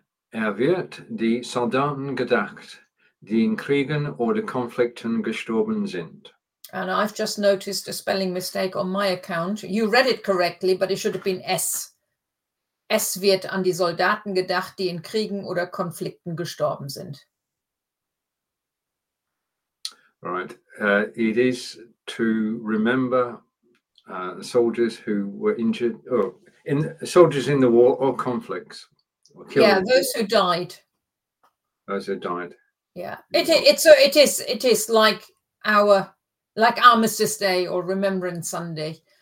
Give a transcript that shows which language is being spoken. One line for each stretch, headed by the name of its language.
German: Er wird die Soldaten gedacht, die in Kriegen oder Konflikten gestorben sind.
English: And I've just noticed a spelling mistake on my account. You read it correctly, but it should have been S.
German: Es wird an die Soldaten gedacht, die in Kriegen oder Konflikten gestorben sind.
English: Right. It is to remember soldiers who were injured, soldiers in the war or conflicts. Yeah, those who died. Those who died. Yeah, it is like Armistice Day or Remembrance Sunday.